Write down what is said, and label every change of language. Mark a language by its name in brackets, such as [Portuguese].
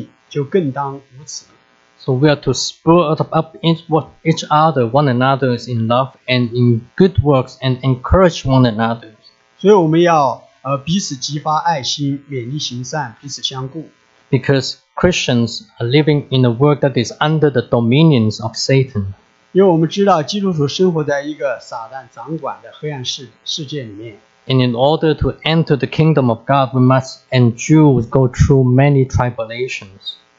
[English] So we are to spur up each other, one another in love and in good works and encourage one another. [Chinese] 所以我们要, 彼此激发爱心,勉励行善,彼此相顾。 [English] Because Christians are living in a world that is under the dominions of Satan. And in order to enter the kingdom of God, we must endure, go through many tribulations.